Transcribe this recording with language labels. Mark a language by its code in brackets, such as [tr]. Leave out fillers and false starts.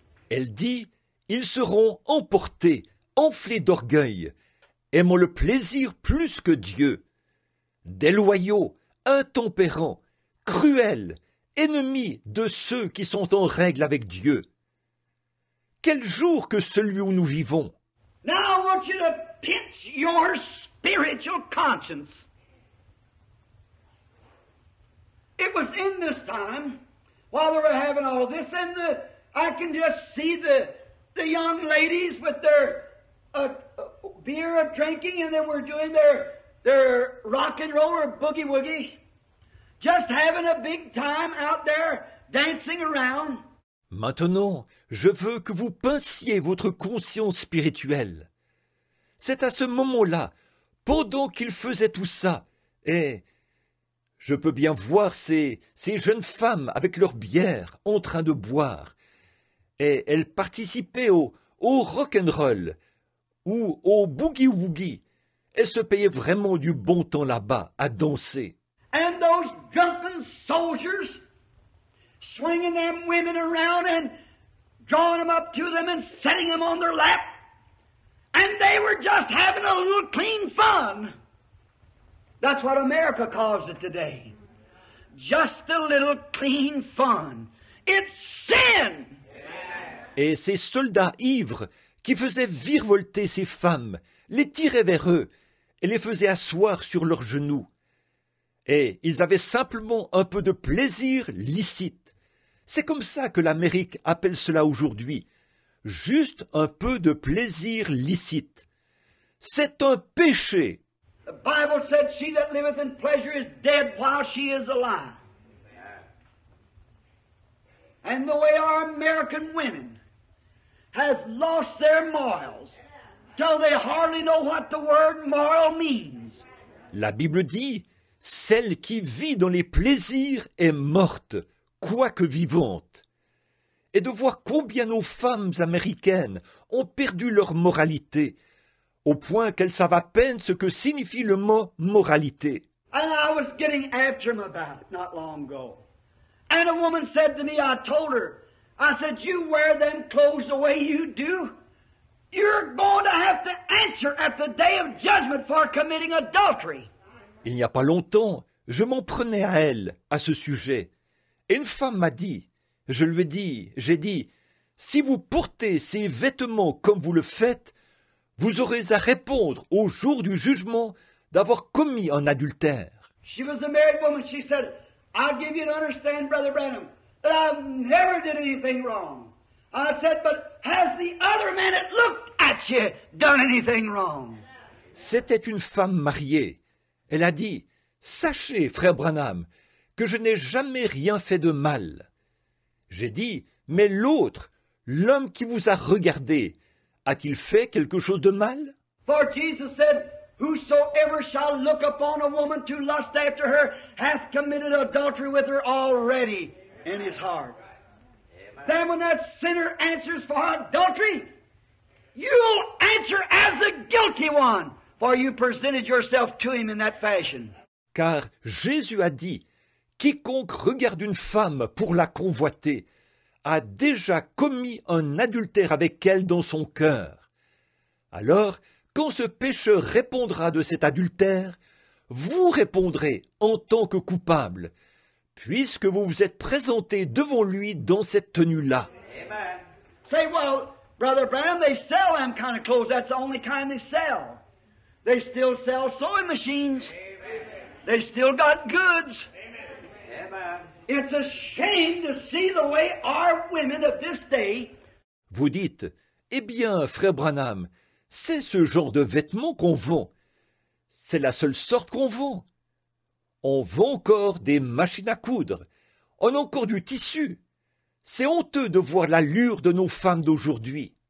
[fr] Elle dit, ils seront emportés, enflés d'orgueil, aimant le plaisir plus que Dieu. Déloyaux, intempérants, cruels, ennemis de ceux qui sont en règle avec Dieu. Quel jour que celui où nous vivons! [en] Now I want you to pinch your spiritual conscience. It was in this time, while we were having all this, and I can just see the young ladies with their beer of drinking, and they were doing their rock and roll or boogie woogie, just having a big time out there dancing around. [fr] Maintenant, je veux que vous pinciez votre conscience spirituelle. C'est à ce moment-là, pendant qu'ils faisaient tout ça, et je peux bien voir ces jeunes femmes avec leur bière en train de boire, et elles participaient au rock'n'roll ou au boogie-woogie, et se payaient vraiment du bon temps là-bas à danser. [en] And those drunken soldiers swinging them women around and drawing them up to them and setting them on their lap. And they were just having a little clean fun. That's what America calls it today. Just a little clean fun. It's sin. [fr] Et ces soldats ivres qui faisaient virevolter ces femmes, les tiraient vers eux et les faisaient asseoir sur leurs genoux. Et ils avaient simplement un peu de plaisir licite. C'est comme ça que l'Amérique appelle cela aujourd'hui. Juste un peu de plaisir licite. C'est un péché. [en] The Bible said she that liveth in pleasure is dead while she is alive. And the way our American women has lost their morals till they hardly know what the word moral means. [fr] La Bible dit, celle qui vit dans les plaisirs est morte, quoique vivante. Et de voir combien nos femmes américaines ont perdu leur moralité, au point qu'elles savent à peine ce que signifie le mot moralité. [en] And I was getting after him about it not long ago. And a woman said to me, I told her, I said, you wear them clothes the way you do, you're going to have to answer at the day of judgment for committing adultery. [fr] Il n'y a pas longtemps, je m'en prenais à elle à ce sujet. Et une femme m'a dit, j'ai dit, si vous portez ces vêtements comme vous le faites, vous aurez à répondre au jour du jugement d'avoir commis un adultère. [en] She was a married woman. She said, I'll give you to understand, Brother Branham, that I never did anything wrong. I said, but has the other man that looked at you done anything wrong? [fr] C'était une femme mariée. Elle a dit, « Sachez, frère Branham, que je n'ai jamais rien fait de mal. » J'ai dit, « Mais l'autre, l'homme qui vous a regardé, a-t-il fait quelque chose de mal ?» [en] For Jesus said, « Whosoever shall look upon a woman to lust after her hath committed adultery with her already in his heart. » Then when that sinner answers for adultery, you'll answer as a guilty one. For you presented yourself to him in that fashion. [fr] Car Jésus a dit, quiconque regarde une femme pour la convoiter a déjà commis un adultère avec elle dans son cœur. Alors, quand ce pécheur répondra de cet adultère, vous répondrez en tant que coupable, puisque vous vous êtes présenté devant lui dans cette tenue-là. [en] Amen. Say, well, Brother Branham, they sell them kind of clothes. That's the only kind they sell. They still sell sewing machines. Amen. They still got goods. Amen. It's a shame to see the way our women of this day. [fr] Vous dites, eh bien, frère Branham, c'est ce genre de vêtements qu'on vend. C'est la seule sorte qu'on vend. On vend encore des machines à coudre. On a encore du tissu. C'est honteux de voir l'allure de nos femmes d'aujourd'hui.